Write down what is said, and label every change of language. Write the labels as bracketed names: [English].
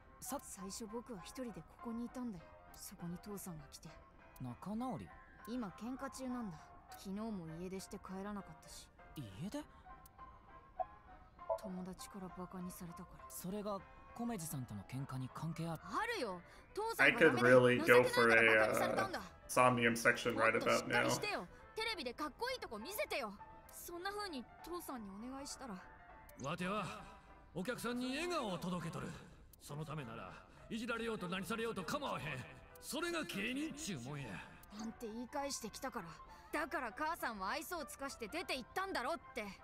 [Japanese] 最初僕は一人でここにいたんだよ。そこに父さんが来て。仲直り。今喧嘩中なんだ。昨日も家出して帰らなかったし。家出？友達からバカにされたから。それがコメジさんとの喧嘩に関係ある。あるよ、父さんがダメだ。 [English] I could really go for a Somnium section right about now。 [Japanese] もっとしっかりしてよ。テレビでかっこいいとこ見せてよ。そんな風に父さんにお願いしたら。わてはお客さんに笑顔を届けとる。そのためならいじられようと何されようと構わへん。それが芸人ちゅうもんや。なんて言い返してきたから。だから母さんは愛想を尽かして出て行ったんだろって。